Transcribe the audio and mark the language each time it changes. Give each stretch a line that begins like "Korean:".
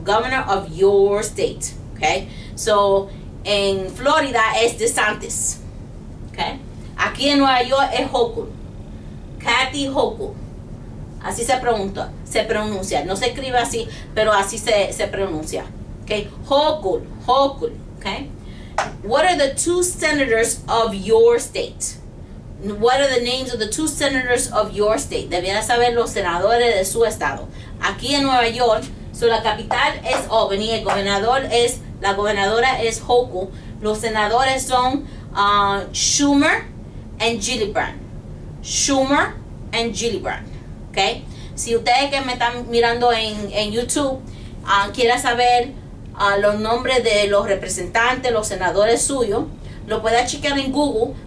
English: Governor of your state. Okay? So,
Spanish: en Florida es DeSantis.
English: Okay?
Spanish: Aquí en Nueva York es Hochul. Kathy Hochul. Así se pregunta. Se pronuncia. No se escribe así, pero así se pronuncia. Okay? Hochul. Hochul. Okay?
English: What are the two senators of your state? What are the names of the two senators of your state?
Spanish: Debería saber los senadores de su estado. Aquí en Nueva York, so la capital es Albany, el gobernador es, la gobernadora es Hochul. Los senadores son Schumer and Gillibrand. Schumer and Gillibrand. Okay? Si ustedes que me están mirando en YouTube quieren saber los nombres de los representantes, los senadores suyos, lo pueden chequear en Google.